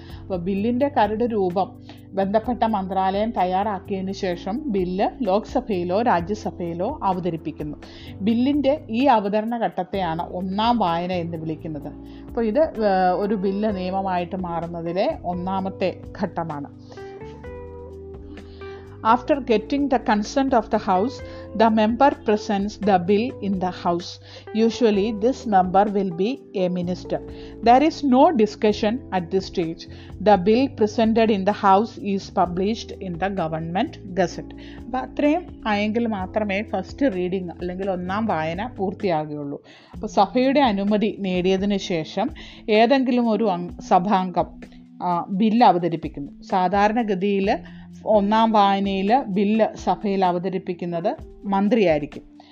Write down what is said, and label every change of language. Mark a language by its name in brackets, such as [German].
[Malayalam] അപ്പോൾ ബില്ലിൻ്റെ കരട് രൂപം ബന്ധപ്പെട്ട മന്ത്രാലയം തയ്യാറാക്കിയതിന് ശേഷം ബില്ല് ലോക്സഭയിലോ രാജ്യസഭയിലോ അവതരിപ്പിക്കുന്നു. ബില്ലിൻ്റെ ഈ അവതരണ ഘട്ടത്തെയാണ് ഒന്നാം വായന എന്ന് വിളിക്കുന്നത്. അപ്പോൾ ഇത് ഒരു ബില്ല് നിയമമായിട്ട് മാറുന്നതിലെ ഒന്നാമത്തെ ഘട്ടമാണ്. [English] After getting the consent of the House, the member presents the bill in the House. Usually, this member will be a minister. There is no discussion at this stage. The bill presented in the House is published in the Government Gazette. [Malayalam] അപ്പോൾ അത്രയും ആയെങ്കിൽ മാത്രമേ first reading അല്ലെങ്കിൽ ഒന്നാം വായന പൂർത്തിയാകുകയുള്ളൂ. അപ്പോൾ സഭയുടെ അനുമതി നേടിയതിന് ശേഷം ഏതെങ്കിലും ഒരു സഭാംഗം ബില്ല് അവതരിപ്പിക്കുന്നു. സാധാരണഗതിയിൽ ഒന്നാം വായനയിൽ ബില്ല് സഭയിൽ അവതരിപ്പിക്കുന്നത് മന്ത്രിയായിരിക്കും.